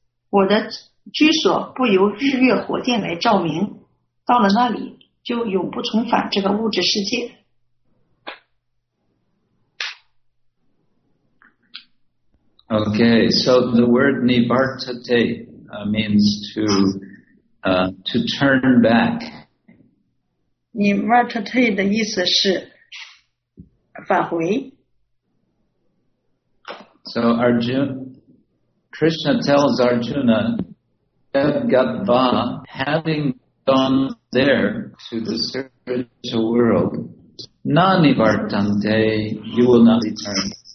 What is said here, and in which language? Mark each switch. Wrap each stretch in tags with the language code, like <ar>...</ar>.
<zh>我的居所不由日月火电来照明, 到了那里就永不重返这个物质世界。</zh> <en>Okay, so the word nivartate means to turn back.</en> <zh>Nivartate 的意思是返回。</zh> <en>So Krishna tells Arjuna, Gatva, having gone there to the spiritual world, na nivartante, you will not return.</en>